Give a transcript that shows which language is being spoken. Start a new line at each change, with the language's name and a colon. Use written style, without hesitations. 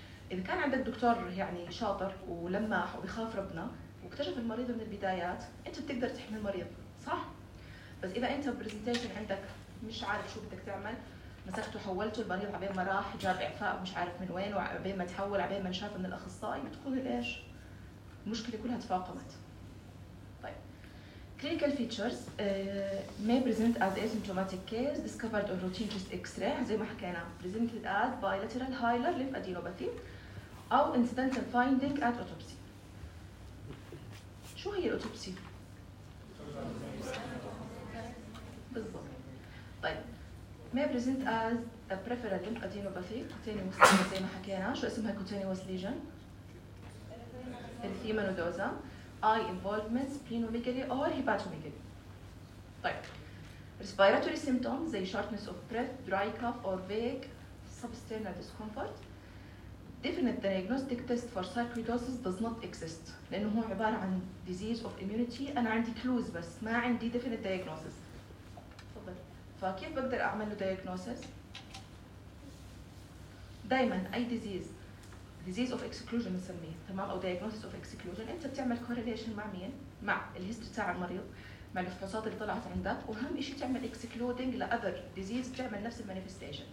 Arabic: اذا كان عند الدكتور يعني شاطر ولماح وبيخاف ربنا واكتشف المريض من البدايات انت بتقدر تحمي المريض صح. بس اذا انت بريزنتيشن عندك مش عارف شو بدك تعمل مسكته حولته المريض عبين ما راح جاب اعفاء مش عارف من وين وعبين ما تحول عبين ما انشاف من الاخصائي بتكون ايش المشكله كلها تفاقمت.
English: Clinical features may present as asymptomatic case discovered on routine chest X-ray
Arabic: زي ما حكينا
English: presented as bilateral hilar lymphadenopathy أو incidental finding at autopsy.
Arabic: شو هي الأوتوبسي؟ بالضبط.
English: طيب may present as a peripheral lymphadenopathy cutaneous lesion
Arabic: زي ما حكينا شو اسمها
English: cutaneous lesion؟ erythema nodosa eye involvement splenomegaly or hepatomegaly. طيب respiratory symptoms زي shortness of breath dry cough or vague substernal discomfort. definite diagnostic test for sarcoidosis does not exist
Arabic: لانه هو عباره عن
English: disease of immunity انا عندي clues بس ما عندي definite diagnosis.
Arabic: فكيف بقدر اعمل له diagnosis؟ دائما اي disease of exclusion نسميه تمام او diagnosis of exclusion انت بتعمل correlation مع مين؟ مع الهيستوري تاع المريض مع الفحوصات اللي طلعت عندك وهم اشي تعمل excluding ل other disease بتعمل نفس المانيفستيشن.